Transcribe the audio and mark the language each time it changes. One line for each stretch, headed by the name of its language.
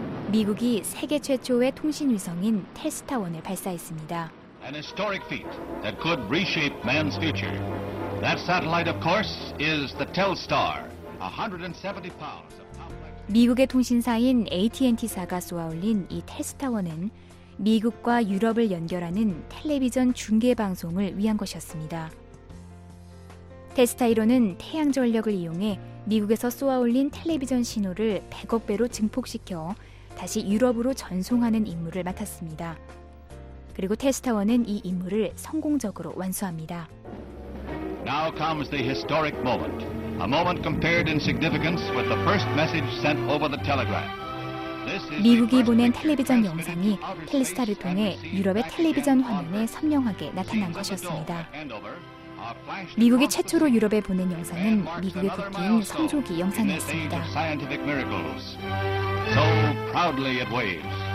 Korean: 미국이 세계 최초의 통신 위성인 테스타1을 발사했습니다.
English: An historic feat that could reshape man's future. That satellite, of course, is the Telstar. 170 pounds of complex.
Korean: 미국의 통신사인 AT&T사가 쏘아올린 이 테스타1은 미국과 유럽을 연결하는 텔레비전 중계 방송을 위한 것이었습니다. 테스타1호는 태양 전력을 이용해 미국에서 쏘아올린 텔레비전 신호를 100억 배로 증폭시켜 다시 유럽으로 전송하는 임무를 맡았습니다. 그리고 테스타1은 이 임무를 성공적으로 완수합니다.
English: Now comes the historic moment. A moment compared in significance with the first message sent over the telegraph.
Korean: 미국이 보낸 텔레비전 영상이 텔스타를 통해 유럽의 텔레비전 화면에 선명하게 나타난 것이었습니다. 미국이 최초로 유럽에 보낸 영상은 미국의 국기인 성조기 영상이었습니다.
English: So proudly it waves.